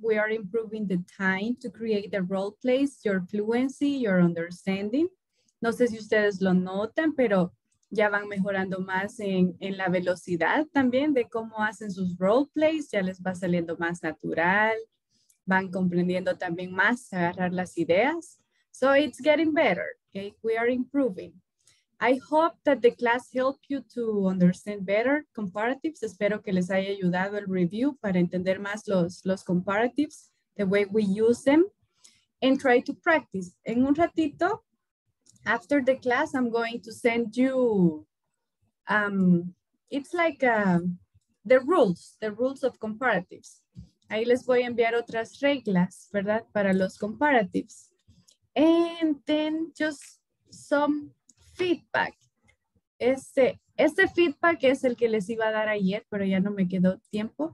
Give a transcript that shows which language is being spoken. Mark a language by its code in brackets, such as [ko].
[en] We are improving the time to create the role plays, your fluency, your understanding. [es] No sé si ustedes lo notan, pero ya van mejorando más en la velocidad también de cómo hacen sus role plays. Ya les va saliendo más natural. Van comprendiendo también más, agarrar las ideas. [en] So it's getting better, okay? We are improving. I hope that the class helped you to understand better comparatives. [es] Espero que les haya ayudado el review para entender más los comparatives, [en] the way we use them, and try to practice. [es] En un ratito, [en] after the class, I'm going to send you, it's like the rules of comparatives. [es] Ahí les voy a enviar otras reglas, ¿verdad? Para los comparatives. [en] And then just some feedback. [es] Este feedback es el que les iba a dar ayer, pero ya no me quedó tiempo.